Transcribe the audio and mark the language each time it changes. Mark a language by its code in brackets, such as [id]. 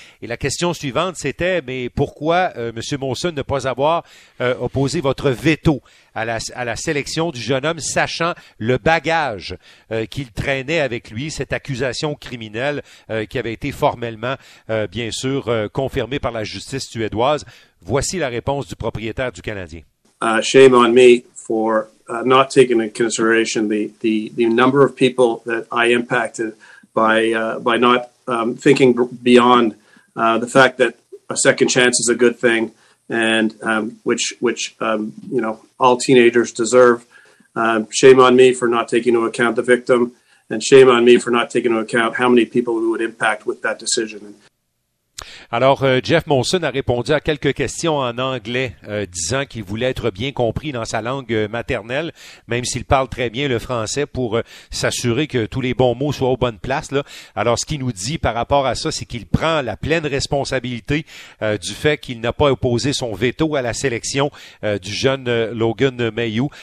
[fr] Et la question suivante, c'était, mais pourquoi, M. Molson, ne pas avoir opposé votre veto à la sélection du jeune homme, sachant le bagage qu'il traînait avec lui, cette accusation criminelle qui avait été formellement, bien sûr, confirmée par la justice suédoise. Voici la réponse du propriétaire du Canadien. [en] Shame on me for not taking into consideration the number of people that I impacted by not thinking beyond the fact that a second chance is a good thing. And which all teenagers deserve. Shame on me for not taking into account the victim, and shame on me for not taking into account how many people we would impact with that decision. [fr] Alors, Jeff Molson a répondu à quelques questions en anglais, disant qu'il voulait être bien compris dans sa langue maternelle, même s'il parle très bien le français, pour s'assurer que tous les bons mots soient aux bonnes places, là. Alors, ce qu'il nous dit par rapport à ça, c'est qu'il prend la pleine responsabilité du fait qu'il n'a pas opposé son veto à la sélection du jeune Logan Mailloux.